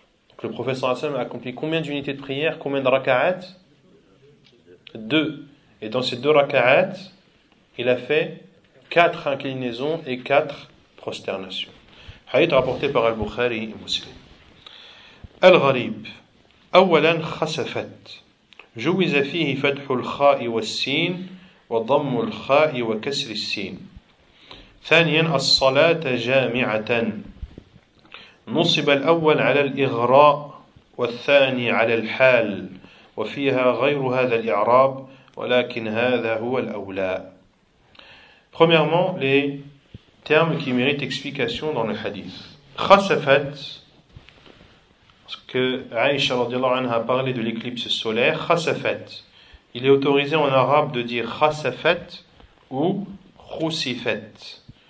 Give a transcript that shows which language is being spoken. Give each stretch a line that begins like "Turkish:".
French: Donc le prophète sallallahu alayhi wa sallam a accompli combien d'unités de prière, combien de raka'at? 2. Et dans ces 2 raka'at, il a fait 4 inclinaisons et 4 prosternations. Hadith rapporté par Al-Bukhari et Muslim.
Arabic: الغريب أولا خسفت جوز فيه فتح الخاء والسين وضم الخاء وكسر السين. ثانيا الصلاة جامعة نصب الأول على الإغراء والثاني على الحال وفيها غير هذا الإعراب ولكن هذا هو الأولى.
French: Premièrement, les termes qui méritent explication dans le hadith. خسفت, parce que Aïcha radiallahu anha a parlé de l'éclipse solaire, khasafat. Il est autorisé en arabe de dire khasafat ou khusifat.